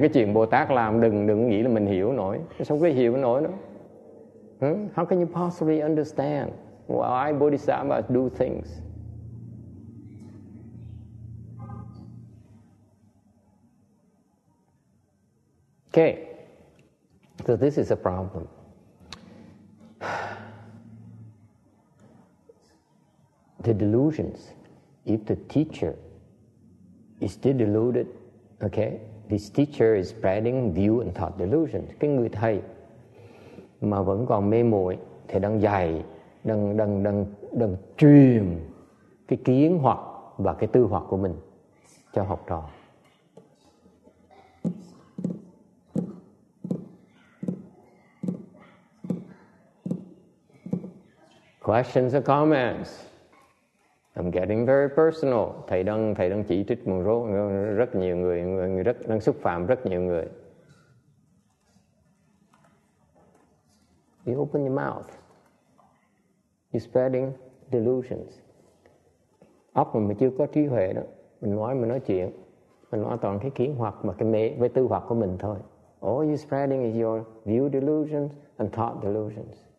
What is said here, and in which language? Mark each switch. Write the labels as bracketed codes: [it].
[vi] Cái chuyện Bồ Tát làm, đừng nghĩ là mình hiểu nổi. Sao cái hiểu nổi đó? [en] How can you possibly understand why bodhisattvas do things? Okay, so this is a problem. The delusions, if the teacher is still deluded, okay, this teacher is spreading view and thought delusion. [vi] Cái người thầy mà vẫn còn mê muội thì đang dạy, đang truyền cái kiến hoặc và cái tư hoặc của mình cho học trò. [en] Questions or comments? I'm getting very personal. [vi] Thầy đang chỉ trích một số rất nhiều người, rất đang xúc phạm rất nhiều người. [en] You open your mouth. You're spreading delusions. [vi] Óc mình chưa có trí huệ đó, mình nói toàn cái kiến hoặc mà cái mê với tư hoặc của mình thôi. [en] All you're spreading is your view delusions and thought delusions.